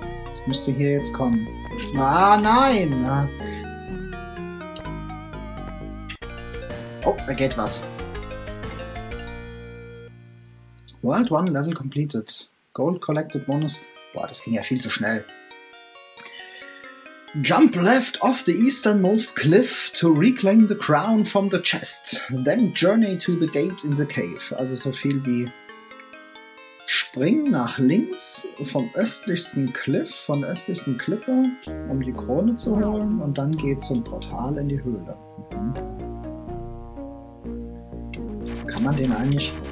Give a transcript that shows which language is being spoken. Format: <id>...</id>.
<de>Das müsste hier jetzt kommen. Ah, nein! Oh, da geht was.</de> <en>World 1 Level completed. Gold collected bonus.</en> <de>Boah, das ging ja viel zu schnell.</de> <en>Jump left off the easternmost cliff to reclaim the crown from the chest. Then journey to the gate in the cave.</en> <de>Also so viel wie spring nach links vom östlichsten Cliff, von der östlichsten Klippe, um die Krone zu holen und dann geh zum Portal in die Höhle. Mhm. Kann man den eigentlich?</de>